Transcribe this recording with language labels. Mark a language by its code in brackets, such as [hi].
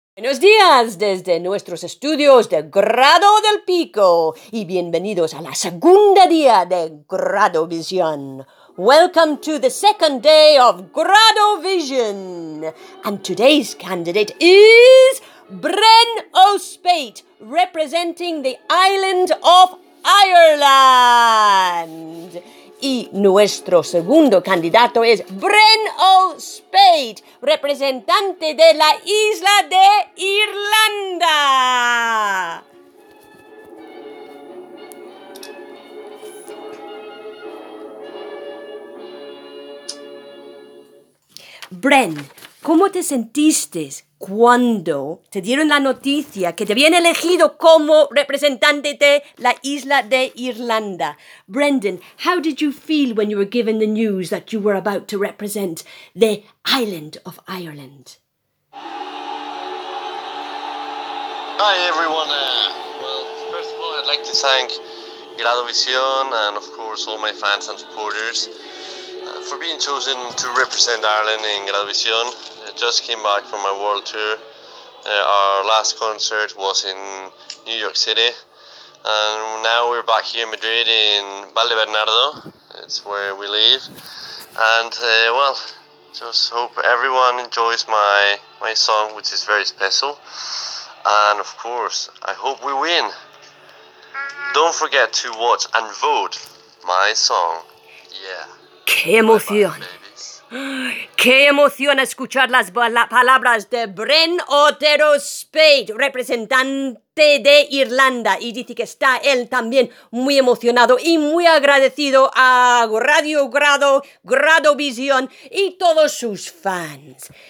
[es] Buenos días desde nuestros estudios de Grado del Pico y bienvenidos a la segunda día de Grado Vision. [en] Welcome to the second day of Grado Vision. And today's candidate is Bren O'Spate, representing the island of Ireland. [es] Y nuestro segundo candidato es Bren O'Spate, representante de la isla de Irlanda. Bren, ¿cómo te sentiste cuando te dieron la noticia que te habían elegido como representante de la isla de Irlanda? [en] Brendan, how did you feel when you were given the news that you were about to represent the island of Ireland? Hi everyone. Well, first of all, I'd like to thank Grado Vision and of course all my fans and supporters for being chosen to represent Ireland in Grado Vision. Just came back from my world tour. Our last concert was in New York City, and now we're back here in Madrid in Valle Bernardo. It's where we live, and well, just hope everyone enjoys my song, which is very special, and of course I hope we win. Don't forget to watch and vote my song. Yeah, [es] qué emoción. [en] Bye-bye, babies. [es] ¡Qué emoción escuchar las palabras de Bren Otero Spade, representante de Irlanda! Y dice que está él también muy emocionado y muy agradecido a Radio Grado, Grado Vision y todos sus fans.